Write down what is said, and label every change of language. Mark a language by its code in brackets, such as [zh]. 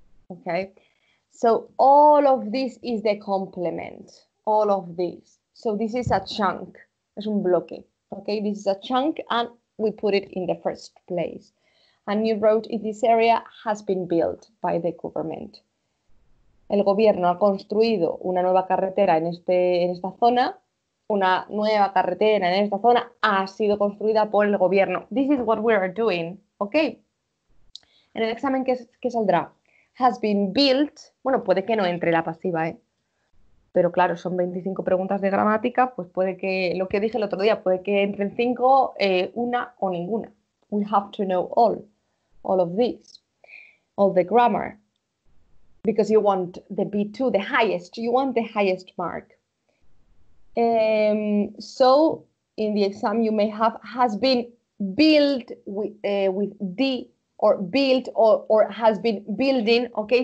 [en] Okay, so all of this is the complement. All of this. So this is a chunk. [es] Es un bloque. [en] Okay, this is a chunk and we put it in the first place. A new road in this area has been built by the government. [es] El gobierno ha construido una nueva carretera en esta zona. Una nueva carretera en esta zona ha sido construida por el gobierno. [en] This is what we are doing, okay? [es] En el examen, ¿qué saldrá? [en] Has been built. [es] Bueno, puede que no entre la pasiva, ¿eh? Pero claro, son 25 preguntas de gramática, pues puede que, lo que dije el otro día, puede que entren 5, una o ninguna. [en] We have to know all of this, all the grammar, because you want the B2, the highest, you want the highest mark. So, in the exam you may have, has been built with D, or built, or has been building, okay?